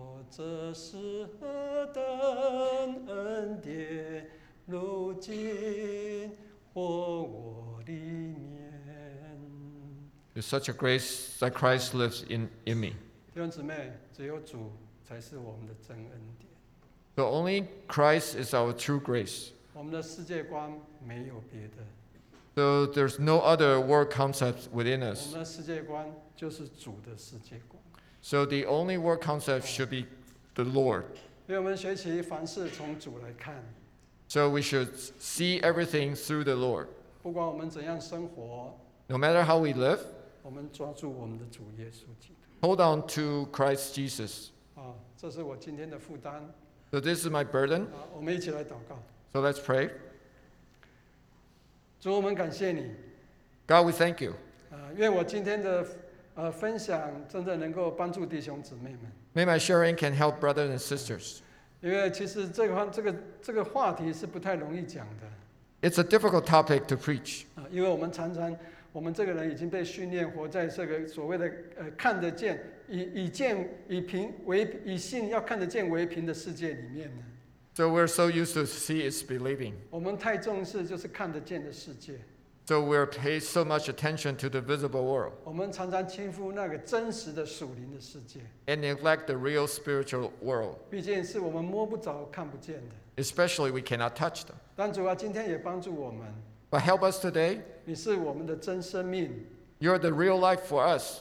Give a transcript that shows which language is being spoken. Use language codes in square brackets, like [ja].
[zh] 这是何等恩典，如今活我里面。 [en] It's such a grace that Christ lives in me. [zh] 弟兄姊妹，只有主才是我们的真恩典。 [en] So only Christ is our true grace. [zh] 我们的世界观没有别的。 [en] So there's no other world concept within us. [zh] 我们的世界观就是主的世界观。 [en] So the only world concept should be the Lord. [zh] 因为我们学习凡事从主来看。 [en] So we should see everything through the Lord. [zh] 不管我们怎样生活。 [en] No matter how we live, [zh] 我们抓住我们的主耶稣基督。 [en] Hold on to Christ Jesus. [zh] 这是我今天的负担。 [en] So this is my burden. [zh] 我们一起来祷告。 [en] So let's pray. [zh] 主，我们感谢你。 [en] God, we thank you. [zh] 愿我今天的分享真的能够帮助弟兄姊妹们。 [en] May my sharing can help brothers and sisters. [zh] 因为其实这个话题是不太容易讲的。 [en] It's a difficult topic to preach. [zh] 因为我们常常我们这个人已经被训练活在这个所谓的看得见以信要看得见为凭的世界里面呢。 [en] So we're so used to see is believing. [zh] 我们太重视就是看得见的世界。 [en] So we're pay so much attention to the visible world. [zh] 我们常常轻忽那个真实的属灵的世界。 [en] And neglect the real spiritual world. [zh] 毕竟是我们摸不着看不见的。 [en] Especially we cannot touch them. [zh] 但主啊今天也帮助我们。 [en] But help us today. [zh] 你是我们的真生命。 [en] You're the real life for us.